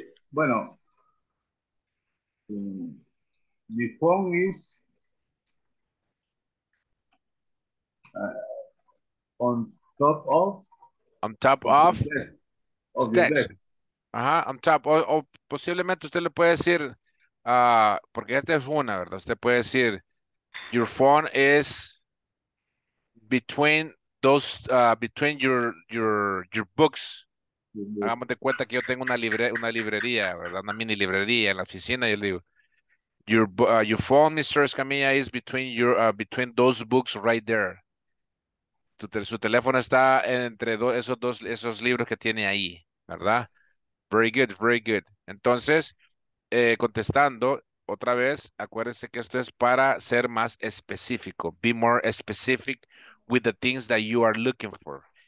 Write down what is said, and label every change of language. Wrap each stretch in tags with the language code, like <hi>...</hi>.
<es>Bueno, mi</es> <en>phone is on top of. On top of. Text. Ajá, on top.</en> <es>O posiblemente usted le puede decir, porque esta es una, ¿verdad? Usted puede decir,</es> <en>your phone is between those, between your books.</en> <es>Hagamos de cuenta que yo tengo una librería, ¿verdad? Una mini librería en la oficina. Yo le digo,</es> <en>your phone, Mr. Escamilla, is between your between those books right there.</en> <es>Su teléfono está entre esos libros que tiene ahí, ¿verdad?</es> <en>Very good, very good.</en> <es>Entonces, contestando otra vez, acuérdense que esto es para ser más específico.</es> <en>Be more specific with the things that you are looking for.</en>